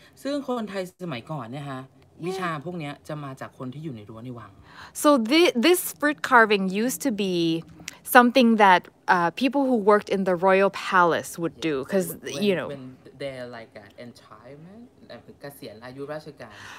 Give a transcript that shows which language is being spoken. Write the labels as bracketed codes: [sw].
[th] ซึ่งคนไทยสมัยก่อนเนี่ยฮะวิชาพวกนี้จะมาจากคนที่อยู่ในรั้วในวัง [en] So this fruit carving used to be something that people who worked in the royal palace would do because you know when they're like an retirement [th] เกษียณอายุราชการ